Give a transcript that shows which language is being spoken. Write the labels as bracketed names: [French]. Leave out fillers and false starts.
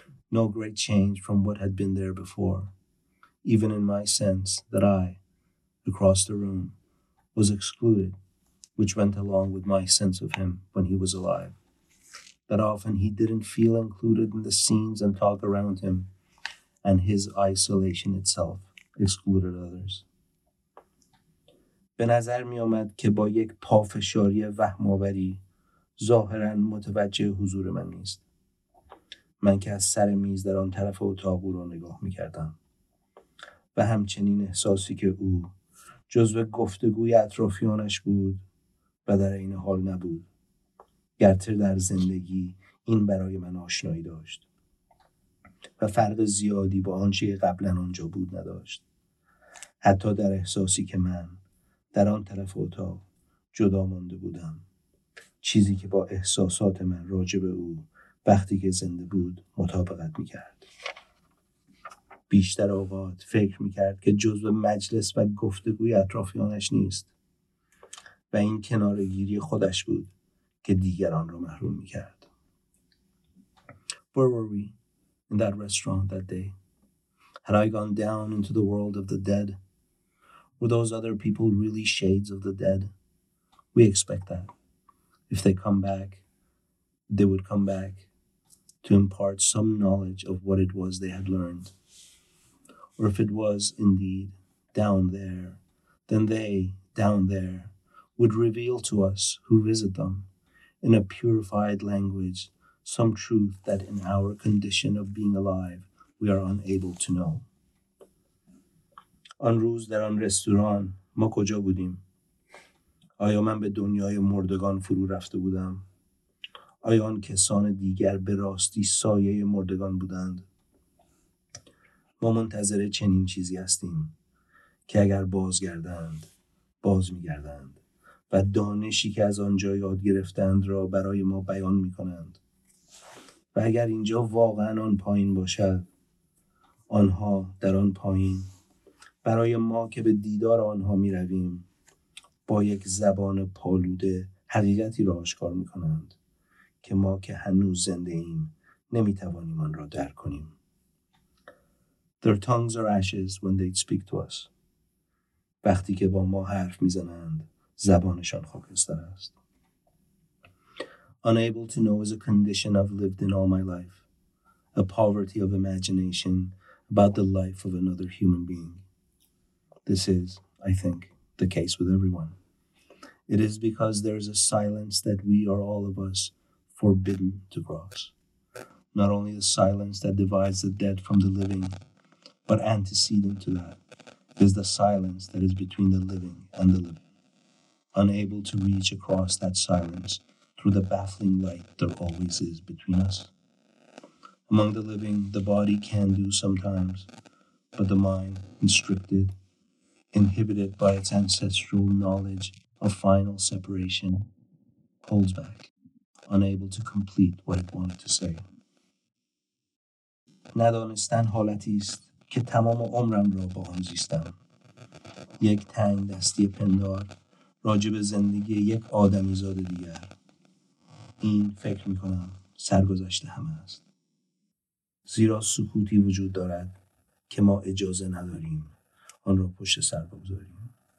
[English] No great change from what had been there before, even in my sense that I, across the room, was excluded, which went along with my sense of him when he was alive. That often he didn't feel included in the scenes and talk around him, and his isolation itself excluded others. [Persian] به نظر می آمد که با یک پافشاری وهم‌آوری ظاهراً متوجه حضور من نیست. من که از سر میز در آن طرف اتاق او را نگاه می کردم و همچنین احساسی که او جزو گفتگوی اطرافیانش بود و در این حال نبود. گرتر در زندگی این برای من آشنایی داشت و فرق زیادی با آنچه قبلاً آنجا بود نداشت. حتی در احساسی که من در آن طرف اتاق جدا مانده بودم. چیزی که با احساسات من راجع به او وقتی که زنده بود مطابقت می‌کرد. بیشتر اوقات فکر می‌کرد که جزء مجلس و گفتگوی اطرافیانش نیست و این کنارگیری خودش بود که دیگران را محروم می‌کرد. [English] Where were we in that restaurant that day? Had I gone down into the world of the dead? Were those other people really shades of the dead? We expect that. If they come back, they would come back to impart some knowledge of what it was they had learned. Or if it was indeed down there, then they, down there, would reveal to us who visit them in a purified language some truth that in our condition of being alive we are unable to know. [Persian] آن روز در آن رستوران ما کجا بودیم؟ آیا من به دنیای مردگان فرو رفته بودم؟ آیا آن کسان دیگر به راستی سایه مردگان بودند؟ ما منتظر چنین چیزی هستیم که اگر بازگردند، باز می‌گردند و دانشی که از آنجا یاد گرفتند را برای ما بیان می‌کنند. و اگر اینجا واقعاً آن پایین باشد، آنها در آن پایین برای ما که به دیدار آنها می رویم با یک زبان پالوده حقیقتی را آشکار می کنند که ما که هنوز زنده ایم نمی توانیم آن را درک کنیم. [English] Their tongues are ashes when they speak to us. [Persian] وقتی که با ما حرف می زنند زبانشان خاکستر است. [English] Unable to know is a condition I've lived in all my life. A poverty of imagination about the life of another human being. This is, I think, the case with everyone. It is because there is a silence that we are all of us forbidden to cross. Not only the silence that divides the dead from the living, but antecedent to that is the silence that is between the living and the living. Unable to reach across that silence through the baffling light there always is between us. Among the living, the body can do sometimes, but the mind, constricted, inhibited by its ancestral knowledge of final separation, holds back, unable to complete what it wanted to say. [Persian] ندانستن حالتی است که تمام عمرم را با آن زیستم. یک تنگ دستی پندار راجب زندگی یک آدمیزاد دیگر. این فکر میکنم سرگذشت همه است. زیرا سکوتی وجود دارد که ما اجازه نداریم آن را پشت سر بگذاریم.